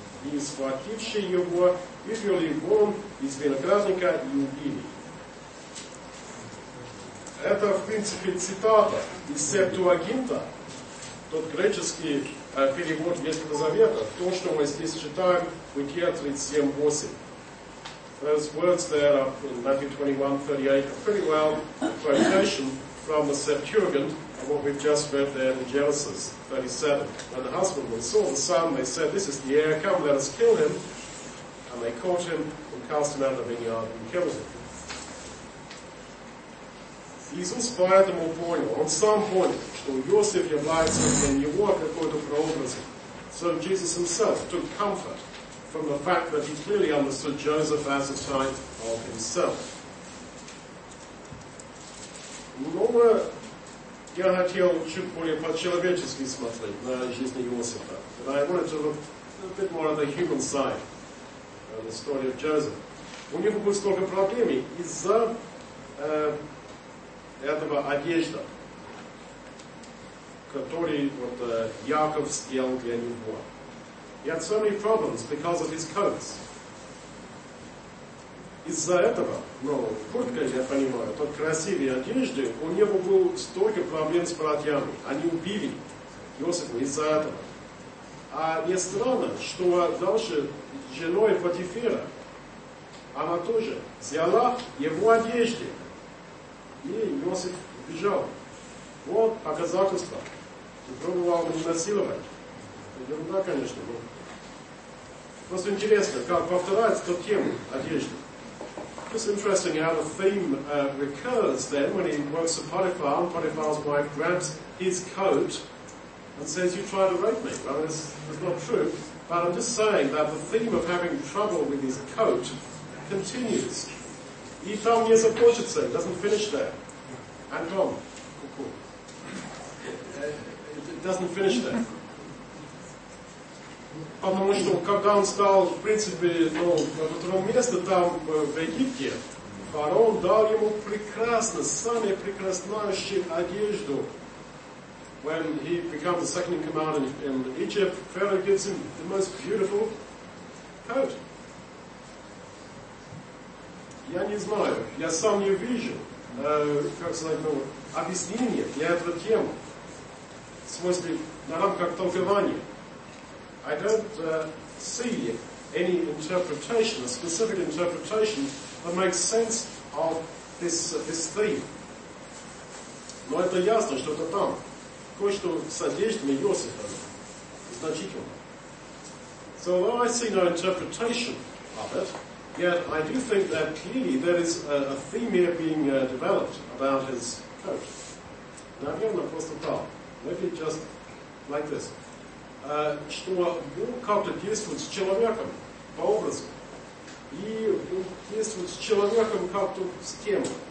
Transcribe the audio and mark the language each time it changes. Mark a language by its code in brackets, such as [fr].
[ru] И схвативши его, вывели вон из виноградника и убили. Это, в принципе, цитата из Септуагинта, тот греческий перевод Ветхого Завета, то, что мы здесь читаем в Бытие 37:8. [en] Those words there are in Matthew 21:38, a pretty well quotation from the Septuagint of what we've just read there in Genesis 37. When the husbandmen saw the son, they said, this is the heir, come, let us kill him. And they caught him and cast him out of the vineyard and killed him. [ru] Иисус поэтому понял, он сам понял, что Иосиф является для него какой-то прообразом. [en] So Jesus himself took comfort from the fact that he clearly understood Joseph as a type of himself. [ru] Но я хотел чуть более по-человечески смотреть на жизнь Иосифа. [en] And I wanted to look a bit more at the human side, the story of Joseph. [ru] У него было столько проблем из-за этого одежда, который вот Яков сделал для него. [en] He had so many problems because of his coats. [ru] Из-за этого, куртка, я понимаю, тот красивый одежды, у него было столько проблем с братьями. Они убили Иосифа из-за этого. А мне странно, что дальше женой Потифира, она тоже взяла его одежды. И Иосиф убежал. Вот показательство. Ты пробовал его насиловать. Да, конечно. Но... просто интересно, как повторяется тот тем одежды. [en] It's interesting how the theme recurs then when he works for Potiphar and Potiphar's wife grabs his coat and says, you try to rape me. Well, this is not true. But I'm just saying that the theme of having trouble with his coat continues. He fell me as a portrait, so it doesn't finish there. And Tom, it doesn't finish there. [ru] Потому что когда он стал, в принципе, ну, на втором месте там, в Египте, фараон дал ему прекрасную, самую прекраснующую одежду. [en] When he becomes the second in command in Egypt, Pharaoh gives him the most beautiful coat. [ru] Я не знаю, я сам не вижу, как сказать, ну, объяснение для этого темы. В смысле, на рамках толкования. [en] I don't see any interpretation, a specific interpretation that makes sense of this theme. [ru] Но это ясно, что это там. Кое-что с одеждами Иосифа. Значительно. [en] So although I see no interpretation of it, yet I do think that clearly there is a theme here being developed about his coat. Now here on the apostle Paul, maybe just like this. [ru] Что Бог как-то действует с человеком по образу. И действует с человеком как-то с тем.